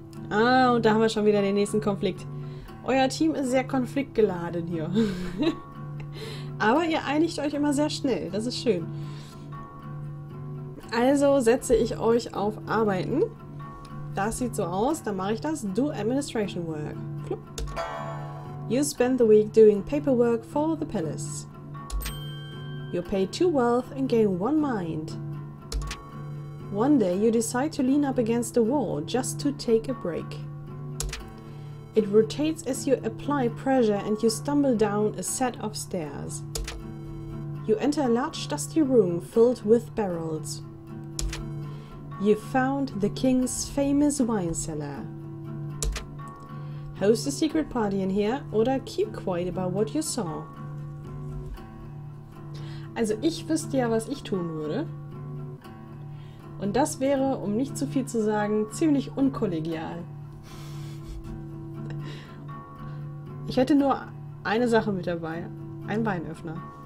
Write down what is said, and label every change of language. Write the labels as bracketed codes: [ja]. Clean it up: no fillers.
[de] Ah, und da haben wir schon wieder den nächsten Konflikt. Euer Team ist sehr konfliktgeladen hier. Aber ihr einigt euch immer sehr schnell, das ist schön. Also setze ich euch auf Arbeiten. Das sieht so aus, dann mache ich das. [en] Do administration work. Flup. You spend the week doing paperwork for the palace. You pay 2 wealth and gain 1 mind. One day you decide to lean up against the wall just to take a break. It rotates as you apply pressure and you stumble down a set of stairs. You enter a large dusty room filled with barrels. You found the king's famous wine cellar. Host a secret party in here oder keep quiet about what you saw. [de] Also ich wüsste ja, was ich tun würde. Und das wäre, um nicht zu viel zu sagen, ziemlich unkollegial. Ich hätte nur eine Sache mit dabei. Ein Weinöffner.